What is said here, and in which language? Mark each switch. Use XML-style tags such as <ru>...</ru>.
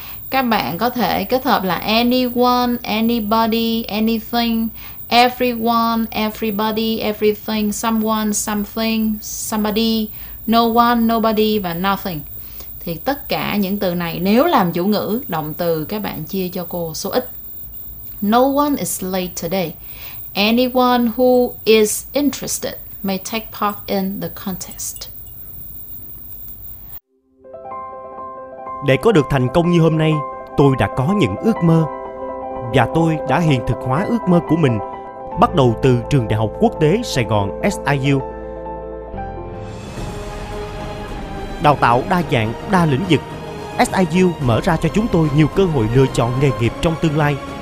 <vi>Các bạn có thể kết hợp là</vi> <en>anyone, anybody, anything, everyone, everybody, everything, someone, something, somebody, no one, nobody và nothing.</en> <vi>Thì tất cả những từ này nếu làm chủ ngữ, động từ các bạn chia cho cô số ít.</vi> <en>No one is late today. Anyone who is interested may take part in the contest.</en> <vi>Để có được thành công như hôm nay, tôi đã có những ước mơ. Và tôi đã hiện thực hóa ước mơ của mình bắt đầu từ Trường Đại học Quốc tế Sài Gòn SIU. Đào tạo đa dạng, đa lĩnh vực, SIU mở ra cho chúng tôi nhiều cơ hội lựa chọn nghề nghiệp trong tương lai.</vi>